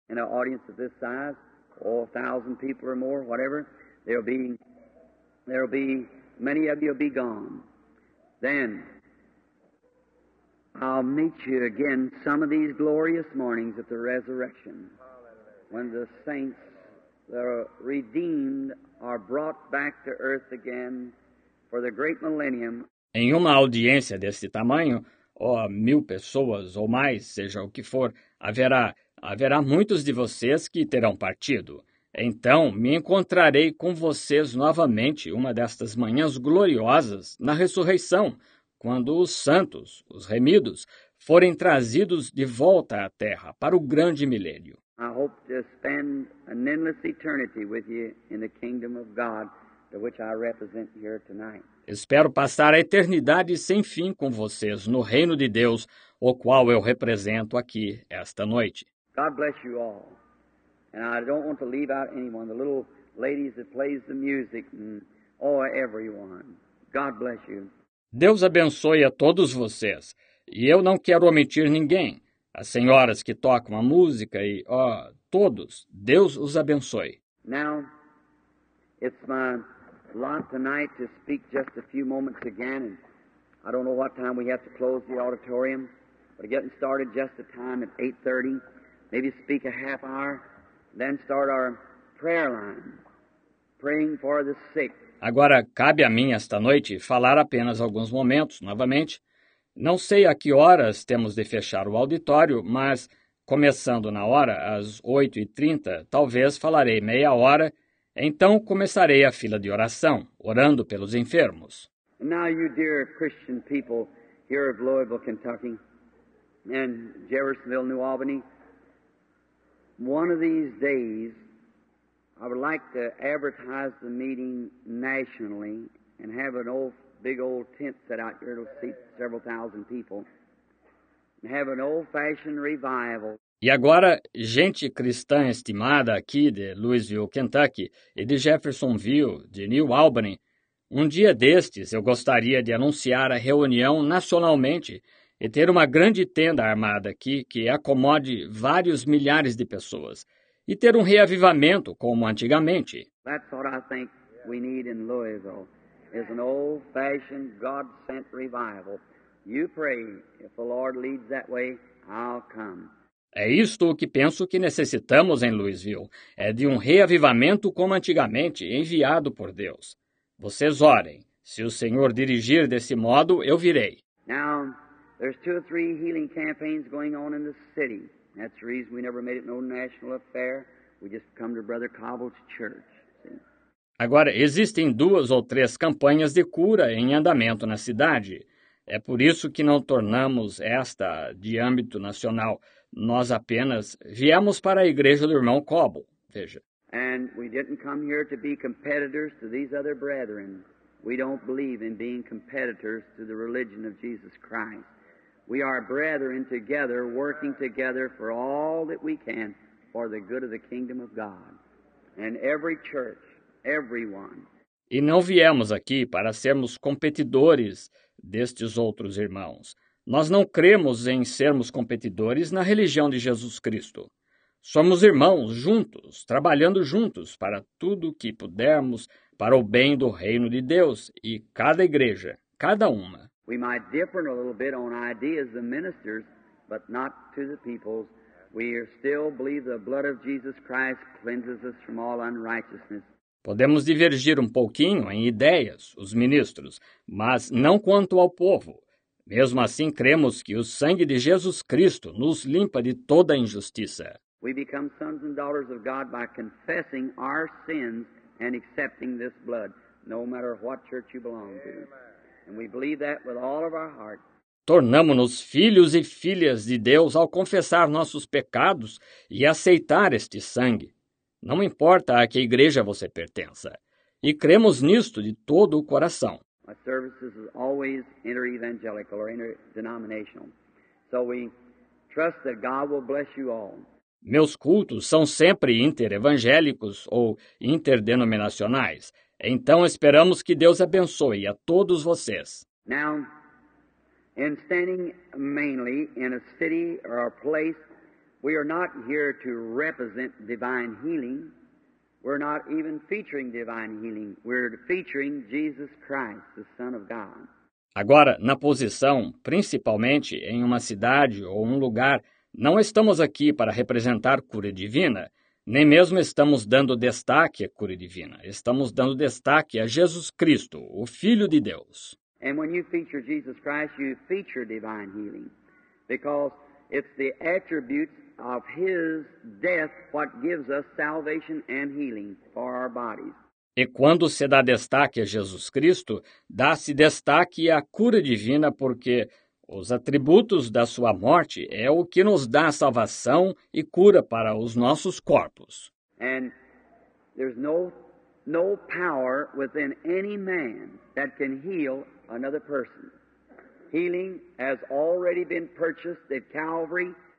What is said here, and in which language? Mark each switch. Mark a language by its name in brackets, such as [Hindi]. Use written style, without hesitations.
[English] In an audience of this size, or 1,000 people or more, whatever, there'll be many of you will be gone. Then I'll meet you again some of these glorious mornings at the resurrection, when the saints, the redeemed, are brought back to earth again for the great millennium. [Portuguese] Em uma audiência desse tamanho, ou 1,000 pessoas ou mais, seja o que for, haverá muitos de vocês que terão partido. Então, me encontrarei com vocês novamente uma destas manhãs gloriosas na ressurreição, quando os santos, os remidos, forem trazidos de volta à terra para o grande milênio. [English] I hope to spend an endless eternity with you in the kingdom of God, to which I represent here tonight. [Portuguese] Espero passar a eternidade sem fim com vocês no reino de Deus, o qual eu represento aqui esta noite. [English] God bless you all. And I don't want to leave out anyone, the little ladies that plays the music, or everyone. God bless you. [Portuguese] Deus abençoe a todos vocês, e eu não quero omitir ninguém. As senhoras que tocam a música e, ó, todos, Deus os abençoe. [English] Now, it's my lot tonight to speak just a few moments again, and I don't know what time we have to close the auditorium, but getting started just the time at 8:30, maybe speak a half hour, then start our prayer line, praying for the sick. [Portuguese] Agora, cabe a mim esta noite falar apenas alguns momentos, novamente. Não sei a que horas temos de fechar o auditório, mas, começando na hora, às 8:30, talvez falarei meia hora, então começarei a fila de oração, orando pelos enfermos. [English] Now, you dear Christian people here of Louisville, Kentucky, and Jeffersonville, New Albany, one of these days, I would like to advertise the meeting nationally and have an old, big old tent set out here to seat several thousand people and have an old-fashioned revival. [Portuguese] E agora, gente cristã estimada aqui de Louisville, Kentucky, e de Jeffersonville, de New Albany, um dia destes eu gostaria de anunciar a reunião nacionalmente e ter uma grande tenda armada aqui que acomode vários milhares de pessoas. E ter um reavivamento como antigamente. [English] That's what I think we need in Louisville, is an old-fashioned, God-sent revival. You pray, if the Lord leads that way, I'll come. [Portuguese] É isto que penso que necessitamos em Louisville. É de um reavivamento como antigamente, enviado por Deus. Vocês orem. Se o Senhor dirigir desse modo, eu virei. [English] Now, there's two or three healing campaigns going on in the city. That's the reason we never made it no national affair. We just come to Brother Cobble's church. [Portuguese] Agora, existem duas ou três campanhas de cura em andamento na cidade. É por isso que não tornamos esta de âmbito nacional. Nós apenas viemos para a igreja do irmão Cobble. Veja. [English] And we didn't come here to be competitors to these other brethren. We don't believe in being competitors to the religion of Jesus Christ. We are brethren together, working together for all that we can for the good of the kingdom of God. And every church, everyone. [Portuguese] E não viemos aqui para sermos competidores destes outros irmãos. Nós não cremos em sermos competidores na religião de Jesus Cristo. Somos irmãos juntos, trabalhando juntos para tudo o que pudermos para o bem do reino de Deus e cada igreja, cada uma. [English] We might differ a little bit on ideas of ministers, but not to the peoples. We still believe the blood of Jesus Christ cleanses us from all unrighteousness. [Portuguese] Podemos divergir um pouquinho em ideias, os ministros, mas não quanto ao povo. Mesmo assim, cremos que o sangue de Jesus Cristo nos limpa de toda a injustiça. [English] We become sons and daughters of God by confessing our sins and accepting this blood, no matter what church you belong to. And we believe that with all of our heart. [Portuguese] Tornamo-nos filhos e filhas de Deus ao confessar nossos pecados e aceitar este sangue. Não importa a que igreja você pertença. E cremos nisto de todo o coração. [English] Our services are always inter-evangelical or inter-denominational. So we trust that God will bless you all. [Portuguese] Meus cultos são sempre inter-evangélicos ou interdenominacionais. Então esperamos que Deus abençoe a todos vocês. [English] Now, in standing mainly in a city or a place, we are not here to represent divine healing. We're not even featuring divine healing. We're featuring Jesus Christ, the Son of God. [Portuguese] Agora, na posição, principalmente em uma cidade ou um lugar, não estamos aqui para representar cura divina, nem mesmo estamos dando destaque à cura divina. Estamos dando destaque a Jesus Cristo, o Filho de Deus. [English] And when you feature Jesus Christ, you feature divine healing, because it's the attributes of his death what gives us salvation and healing for our bodies. [Portuguese] E quando se dá destaque a Jesus Cristo, dá-se destaque à cura divina, porque os atributos da sua morte é o que nos dá salvação e cura para os nossos corpos. [English] And there's no power within any man that can heal another person. Healing has already been purchased at Calvary.